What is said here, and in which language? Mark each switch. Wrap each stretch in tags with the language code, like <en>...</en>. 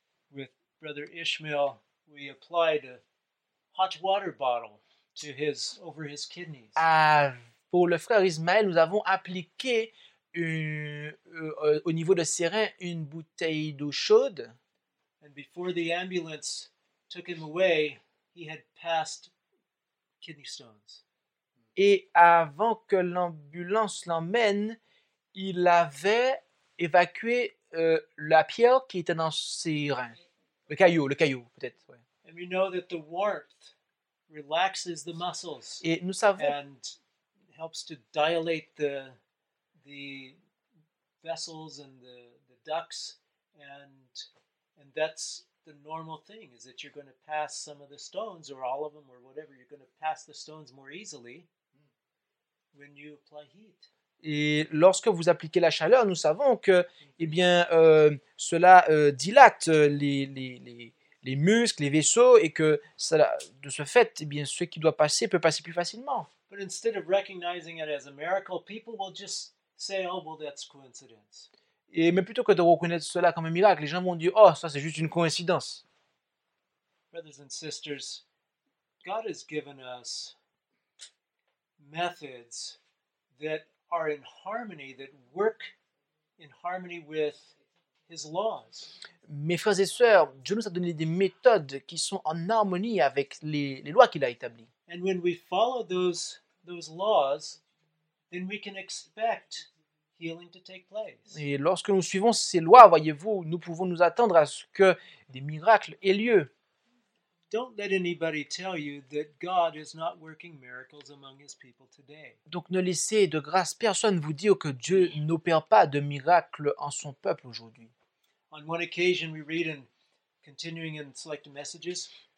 <en>With Brother Ishmael, we applied a hot water bottle to over his kidneys.</en> <fr>Pour le frère Ismaël, nous avons appliqué au niveau de ses reins une bouteille d'eau chaude.</fr> <en>And before the ambulance took him away, he had passed kidney stones.</en> <fr>Et avant que l'ambulance l'emmène, il avait évacué la pierre qui était dans ses reins. Le caillou, peut-être. Ouais.</fr> <en>And we know that the warmth relaxes the muscles</en> <fr>et nous savons</fr> <en>and helps to dilate the the vessels and the ducts, and that's the normal thing, is that you're going to pass some of the stones, or all of them, or whatever, you're going to pass the stones more easily when you apply heat.</en> <fr>Et lorsque vous appliquez la chaleur, nous savons que, eh bien, cela dilate les muscles, les vaisseaux, et que ça, de ce fait, eh bien, ce qui doit passer peut passer plus facilement.</fr> <en>But instead of recognizing it as a miracle, people will just say, "Oh, well, that's coincidence."</en> <fr>Et mais plutôt que de reconnaître cela comme un miracle, les gens vont dire, "Oh, ça, c'est juste une coïncidence."</fr> <en>Brothers and sisters, God has given us methods that are in harmony, that work in harmony with His laws.</en> <fr>Mes frères et sœurs, Dieu nous a donné des méthodes qui sont en harmonie avec les lois qu'il a établies.</fr> <en>And when we follow those laws, then we can expect healing to take place.</en> <fr>Et lorsque nous suivons ces lois, voyez-vous, nous pouvons nous attendre à ce que des miracles aient lieu.</fr> <en>Don't let anybody tell you that God is not working miracles among His people today.</en> <fr>Donc ne laissez de grâce personne vous dire que Dieu n'opère pas de miracles en son peuple aujourd'hui.</fr> <en>On one occasion we read in continuing in select messages.</en>